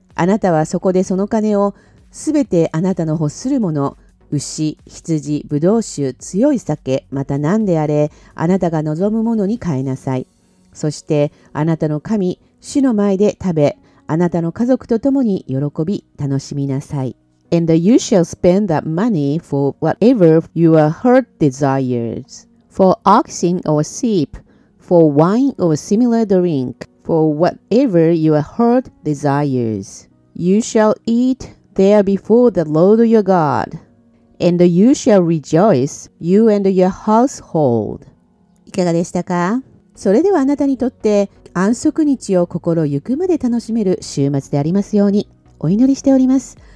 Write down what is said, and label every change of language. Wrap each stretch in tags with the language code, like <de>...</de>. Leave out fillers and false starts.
<ja>あなたはそこでその金をすべてあなたの欲するもの、牛、羊、ぶどう酒、強い酒、また何であれ、あなたが望むものに変えなさい。そしてあなたの神、主の前で食べ、あなたの家族と共に喜び、楽しみなさい。</ja> <en>And you shall spend that money for whatever your heart desires. For oxen or sheep, for wine or similar drink, for whatever your heart desires. You shall eat there before the Lord your God. And you shall rejoice, you and your household.</en> <ja>いかがでしたか？それではあなたにとって、安息日を心ゆくまで楽しめる週末でありますようにお祈りしております。</ja>